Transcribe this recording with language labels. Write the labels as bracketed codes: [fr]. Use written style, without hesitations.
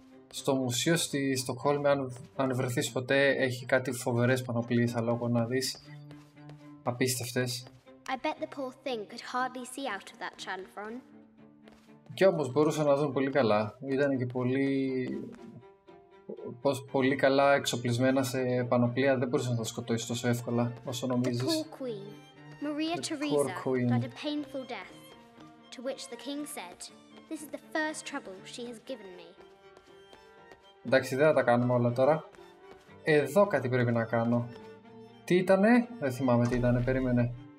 [el] Στο μουσείο στη Στοκχόλμη, αν βρεθείς ποτέ, έχει κάτι φοβερές πανοπλίες αλόγω να δεις. Απίστευτες. [en] I bet the poor thing could hardly see out of that chanfron. [el] Κι όμως μπορούσαν να δουν πολύ καλά. Ήταν και πολύ... πολύ καλά εξοπλισμένα σε πανοπλία, δεν μπορούσε να τα σκοτώσει τόσο εύκολα όσο νομίζεις. [en] The poor queen, Maria Theresa, died a painful death, to which the king said, this is the first trouble she has given me. [el] Εντάξει, δεν θα τα κάνουμε όλα τώρα. Εδώ κάτι πρέπει να κάνω. Τι ήτανε, δεν θυμάμαι τι ήτανε, περίμενε.